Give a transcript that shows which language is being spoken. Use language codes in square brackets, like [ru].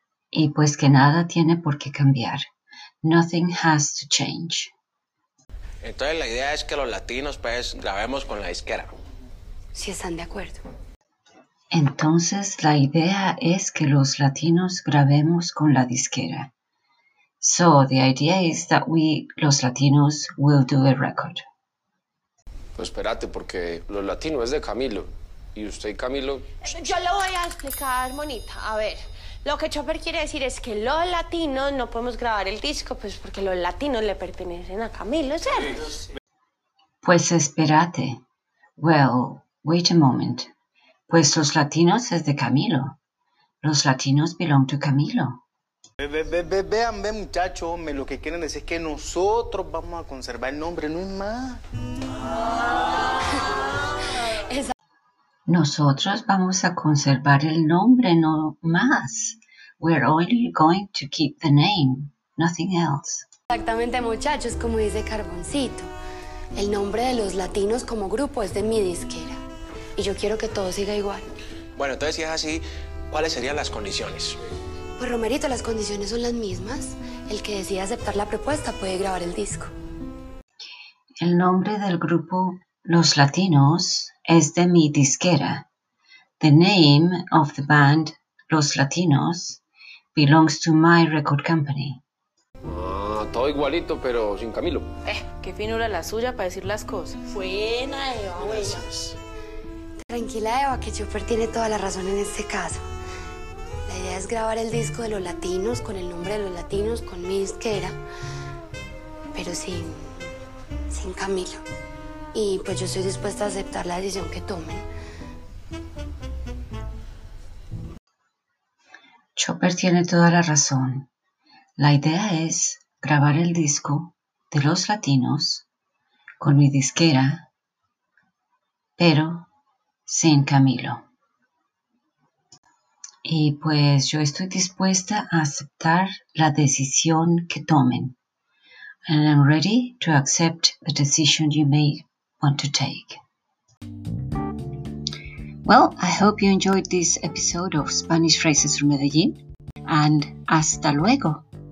[es] Y pues que nada tiene por qué cambiar. [en] Nothing has to change. [es] Entonces la idea es que los latinos pues grabemos con la disquera. Si están de acuerdo. Entonces la idea es que los latinos grabemos con la disquera. [en] So, the idea is that we, los latinos, will do a record. [es] No, espérate, porque los latinos es de Camilo. Y usted y Camilo... Yo lo voy a explicar, monita. A ver, lo que Chopper quiere decir es que los latinos no podemos grabar el disco, pues porque los latinos le pertenecen a Camilo, ¿cierto? Pues espérate. [en] Well, wait a moment. [es] Pues los latinos es de Camilo. [en] Los latinos belong to Camilo. [es] Vean, muchachos, hombre, lo que quieren decir es que nosotros vamos a conservar el nombre, no es más. Nosotros vamos a conservar el nombre, no más. [en] We're only going to keep the name, nothing else. [es] Exactamente, muchachos, como dice Carboncito, el nombre de los latinos como grupo es de mi disquera. Y yo quiero que todo siga igual. Bueno, entonces, si es así, ¿cuáles serían las condiciones? Pues Romerito, las condiciones son las mismas. El que decida aceptar la propuesta puede grabar el disco. El nombre del grupo Los Latinos es de mi disquera. [en] The name of the band Los Latinos belongs to my record company. [es] Todo igualito, pero sin Camilo. Qué finura la suya para decir las cosas. Buena, Eva, buena. Tranquila, Eva, que Chopper tiene toda la razón en este caso. La idea es grabar el disco de los latinos con el nombre de los latinos, con mi disquera, pero sin Camilo. Y pues yo estoy dispuesta a aceptar la decisión que tomen. Chopper tiene toda la razón. La idea es grabar el disco de los latinos con mi disquera, pero sin Camilo. Y pues yo estoy dispuesta a aceptar la decisión que tomen. [en] And I'm ready to accept the decision you may want to take. Well, I hope you enjoyed this episode of Spanish Phrases from Medellín. And [es] hasta luego.